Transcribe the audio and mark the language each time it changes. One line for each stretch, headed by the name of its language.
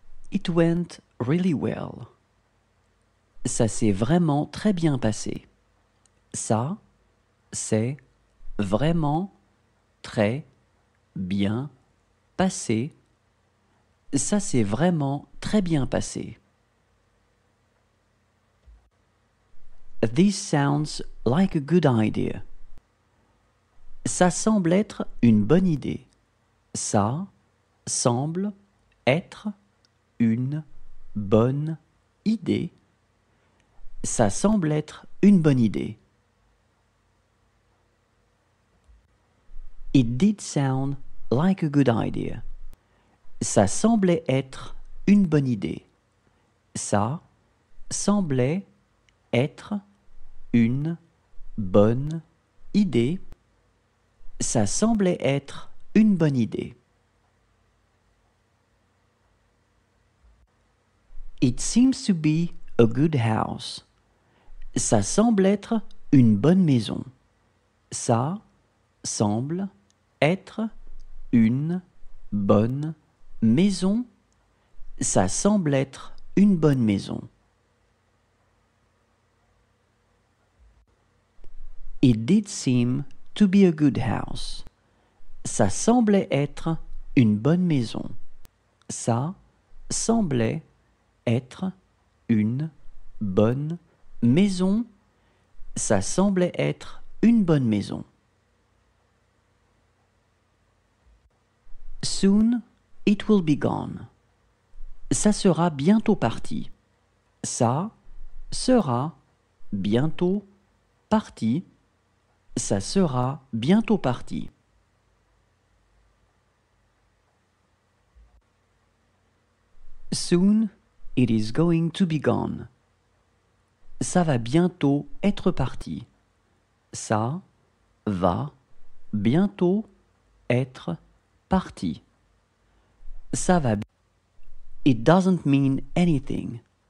English: It went really well.
French: Ça s'est vraiment très bien passé. Ça s'est vraiment très bien passé. Ça s'est vraiment très bien passé.
English: This sounds like a good idea.
French: Ça semble être une bonne idée. Ça semble être une bonne idée. Ça semble être une bonne idée.
English: It did sound like a good idea.
French: Ça semblait être une bonne idée. Ça semblait être une bonne idée. Ça semblait être une bonne idée.
English: It seems to be a good house.
French: Ça semble être une bonne maison. Ça semble être une bonne maison. Ça semble être une bonne maison.
English: It did seem to be a good house.
French: Ça semblait être une bonne maison. Ça semblait être une bonne maison. Ça semblait être une bonne maison.
English: Soon it will be gone.
French: Ça sera bientôt parti. Ça sera bientôt parti. Ça sera bientôt parti.
English: Soon it is going to be gone.
French: Ça va bientôt être parti. Ça va bientôt être parti. Ça va.
English: It doesn't mean anything.